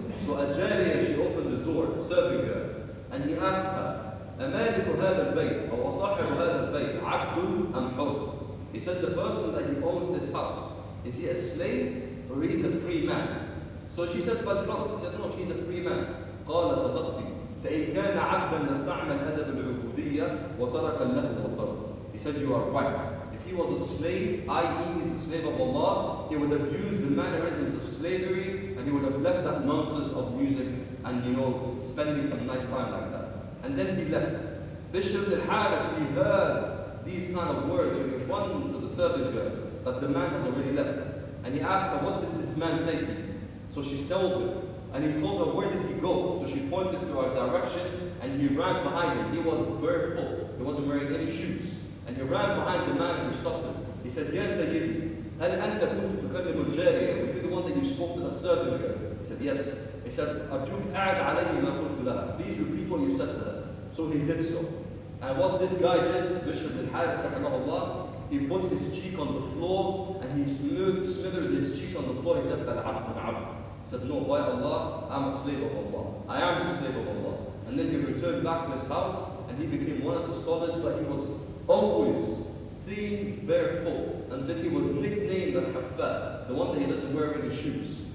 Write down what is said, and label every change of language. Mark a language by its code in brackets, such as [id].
[en] So a jariya, she opened the door, serving her, and he asked her, [ar] أَمَالِكُ هَذَا الْبَيْتِ أَوْ أَصَاحِبُ هَذَا الْبَيْتِ عَبْدٌ أَمْ حَوْضٌ. [en] He said, the person that he owns this house, is he a slave or is he a free man? So she said, but no, she said, no, she's a free man. [ar] قال صدقتي فإن كان عبدا نستعمل أدب العبودية وترك اللهو والطرب. [en] He said, you are right. If he was a slave, i.e. he's a slave of Allah, he would have used the mannerisms of slavery and he would have left that nonsense of music and, you know, spending some nice time like that. And then he left. Bishop Al-Hadid, he heard these kind of words, he responded to the servant girl, but the man has already left. And he asked her, what did this man say to you? So she told him. And he told her, where did he go? So she pointed to our direction, and he ran behind him. He was barefoot. He wasn't wearing any shoes. And he ran behind the man who stopped him. He said, yes, Sayyidi, [ar] هل أنت كنت تكلم الجارية؟ [en] Were you the one that you spoke to the servant girl? He said yes. He said [ar] أرجوك أعد علي ما قلت لها. [en] Please repeat what you said to her. So he did so. And what this guy did, Bishop Al-Harith رحمه الله, he put his cheek on the floor and he smothered his cheeks on the floor. He said [ar] بالعبد بالعبد. [en] He said no, by Allah, I'm a slave of Allah. I am the slave of Allah. And then he returned back to his house and he became one of the scholars, but he was always seen barefoot until he was nicknamed Al-Haffah, the one that he doesn't wear any shoes.